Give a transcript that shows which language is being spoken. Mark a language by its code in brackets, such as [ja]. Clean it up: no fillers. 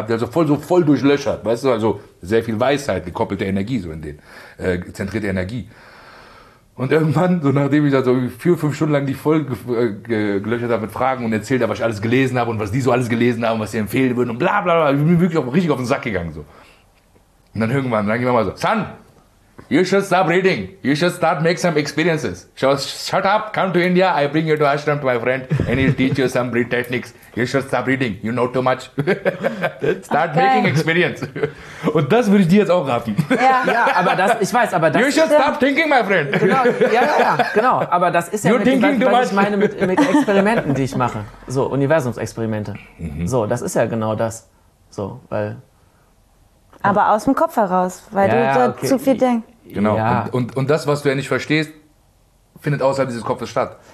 [de] Also voll durchlöchert, weißt du, also sehr viel Weisheit, gekoppelte Energie so in denen, zentrierte Energie. Und irgendwann, so nachdem ich da so 4-5 Stunden lang die voll gelöchert habe mit Fragen und erzählt habe, was ich alles gelesen habe und was die so alles gelesen haben, was sie empfehlen würden und bla bla bla, ich bin wirklich richtig auf den Sack gegangen so. Und dann irgendwann, dann ging man mal so, Son! [en] You should stop reading. You should start make some experiences. So shut up, come to India. I bring you to ashram to my friend and he'll teach you some breathing techniques. You should stop reading. You know too much. Start making experience. [de] Und das würde ich dir jetzt auch raten. Aber das. [en] You should stop thinking, my friend. [de] Genau. Aber das ist ja [en] you're [de] mit dem, was ich meine mit Experimenten, die ich mache. So, Universumsexperimente. Mhm. So, das ist ja genau das. So, weil. Aber aus dem Kopf heraus, weil du da zu viel denkst. Genau, ja. Und das, was du ja nicht verstehst, findet außerhalb dieses Kopfes statt.